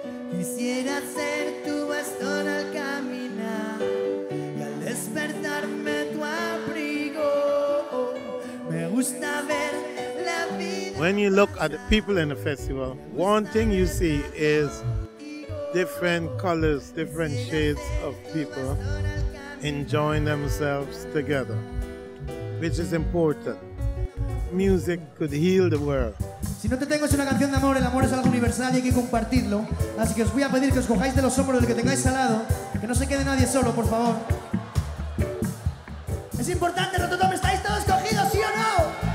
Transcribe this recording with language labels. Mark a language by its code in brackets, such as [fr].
[es] Quisiera ser tu bastón al caminar y al despertarme tu abrigo. Me gusta ver la vida pasar. [en] When you look at the people in the festival, one thing you see is different colors, different shades of people enjoying themselves together, which is important. Music could heal the world. [es] Si no te tengo es una canción de amor, el amor es algo universal y hay que compartirlo. Así que os voy a pedir que os cojáis de los hombros, del que tengáis al lado, que no se quede nadie solo, por favor. Es importante, Rototom, ¿estáis todos cogidos, sí o no?